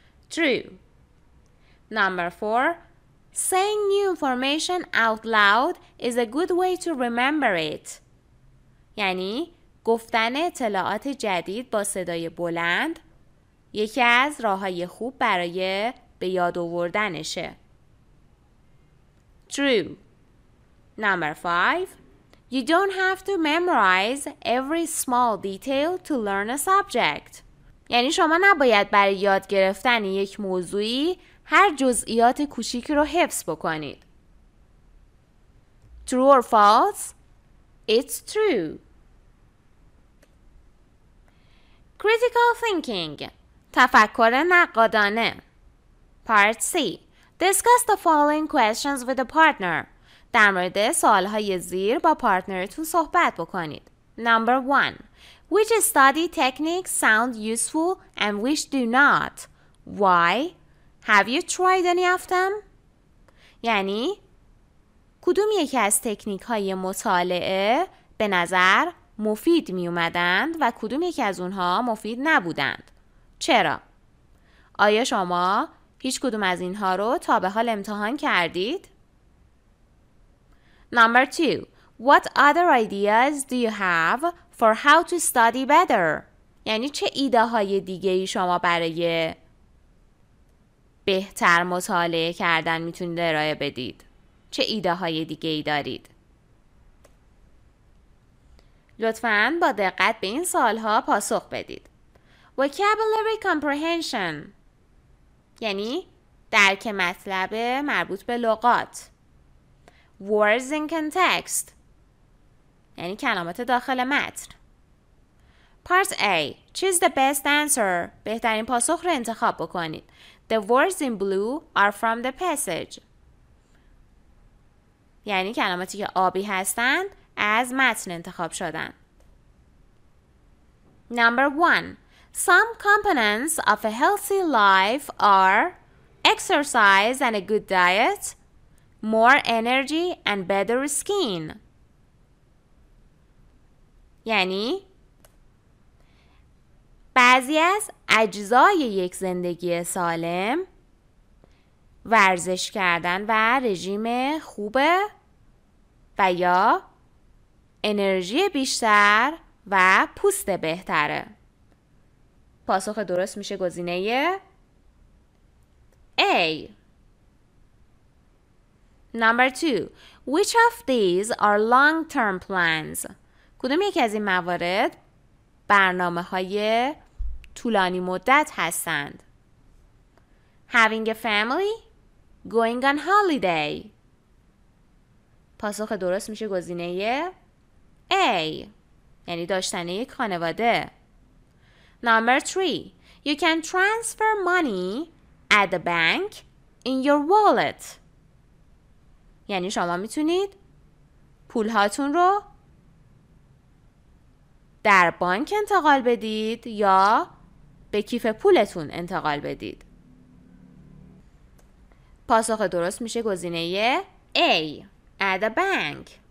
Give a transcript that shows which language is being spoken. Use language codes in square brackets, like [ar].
[en] True. Number 4. Saying new information out loud is a good way to remember it. [fa] یعنی گفتن اطلاعات جدید با صدای بلند یکی از راه‌های خوب برای به یاد آوردنشه. [en] True. Number 5. You don't have to memorize every small detail to learn a subject. [fa] یعنی شما نباید برای یاد گرفتن یک موضوعی هر جزئیات کوچیک رو حفظ بکنید. [en] True or false? It's true. Critical thinking. [fa] تفکر نقادانه. [en] Part C. Discuss the following questions with a partner. [fa] در مورد سوالهای زیر با پارتنرتون صحبت بکنید. [en] Number 1. Which study techniques sound useful and which do not? Why? Have you tried any of them? [fa] یعنی کدوم یکی از تکنیک های مطالعه به نظر مفید می اومدند و کدوم یکی از اونها مفید نبودند؟ چرا؟ آیا شما هیچ کدوم از اینها رو تا به حال امتحان کردید؟ [en] Number 2. What other ideas do you have for how to study better? [fa] یعنی چه ایده های دیگه ای شما برای بهتر مطالعه کردن میتونید ارائه بدید؟ چه ایده های دیگه ای دارید؟ لطفاً با دقت به این سوال ها پاسخ بدید. [en] Vocabulary comprehension [fa] یعنی درک مطلب مربوط به لغات. [en] Words in context [fa] یعنی کلمات داخل متن. [en] Part A. Choose the best answer. [fa] بهترین پاسخ رو انتخاب بکنید. [en] The words in blue are from the passage. [fa] یعنی کلماتی که آبی هستند از متن انتخاب شدن. [en] Number 1. Some components of a healthy life are exercise and a good diet, more energy and better skin. [fa] یعنی بعضی از اجزای یک زندگی سالم ورزش کردن و رژیم خوب و یا انرژی بیشتر و پوست بهتره. پاسخ درست میشه گزینه A. [en] Number 2. Which of these are long-term plans? [fa] کدوم یکی از این موارد برنامه‌های طولانی مدت هستند؟ [en] Having a family, going on holiday. [fa] پاسخ درست میشه گزینه A، یعنی داشتن یک خانواده. [en] Number 3. You can transfer money at the bank in your wallet. [fa] یعنی شما میتونید پول هاتون رو در بانک انتقال بدید یا به کیف پولتون انتقال بدید. پاسخ درست میشه گزینه A، [en] at the bank.